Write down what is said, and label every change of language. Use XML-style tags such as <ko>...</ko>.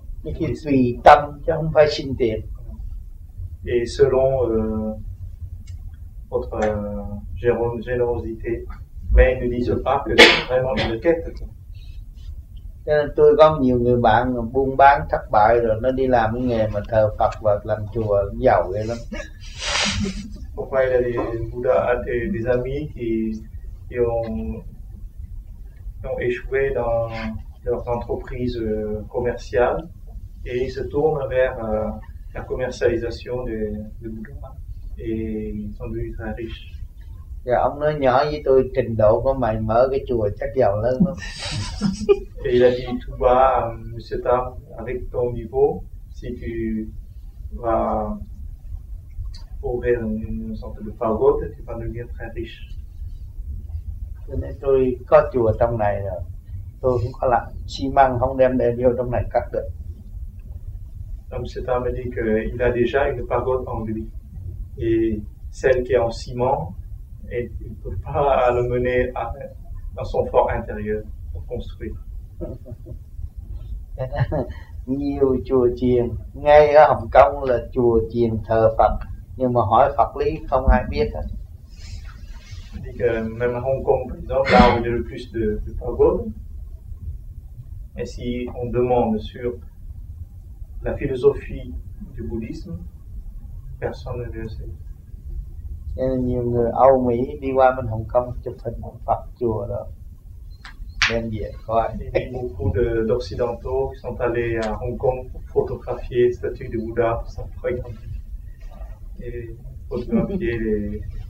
<fr>Mais qui suit</fr> <vi>tâm, chứ không phải xin tiền.</vi> <fr>Et selon votre générosité. Mais ils ne disent pas que c'est vraiment une quête.</fr> <vi>Cho nên tôi có nhiều người bạn buôn bán thất bại rồi nó đi làm cái nghề mà thờ Phật và làm chùa giàu ghê lắm.</vi> <fr>Pourquoi il y a des amis qui ont échoué dans leur entreprise commerciale et ils se tournent vers la commercialisation de Bouddha et ils sont devenus très riches.</fr> <vi>Rồi ông nói nhỏ với tôi, trình độ của mày mở cái chùa chắc giàu lớn lắm.</vi> <fr>Et il a dit tout bas, monsieur Tam, avec ton niveau, si tu vas ouvrir une sorte de pagode, tu vas devenir très riche.</fr> <vi>Cho nên tôi có chùa trong này rồi, tôi cũng có làm xi măng không đem để vô trong này cắt được.</vi> <fr>Monsieur Tam a dit qu'il a déjà une pagode en lui, et celle qui est en ciment, et il ne peut pas le mener dans son fort intérieur pour construire.</fr> <vi>Nhiều chùa chiền ngay ở Hồng Kông là chùa chiền thờ Phật, nhưng mà hỏi Phật lý không ai biết hết.</vi> <fr>Dit que même à Hong Kong, par exemple, là où il y a le plus de pagodes, et si on demande sur la philosophie du bouddhisme, personne ne le sait.</fr> <vi>Nên nhiều người Âu Mỹ đi qua bên Hồng Kông chụp hình một Phật chùa đó đem về coi.</vi> <fr>Beaucoup d'occidentaux qui sont allés à Hong Kong pour photographier la statue de Bouddha pour sa preuve et photographier les</fr>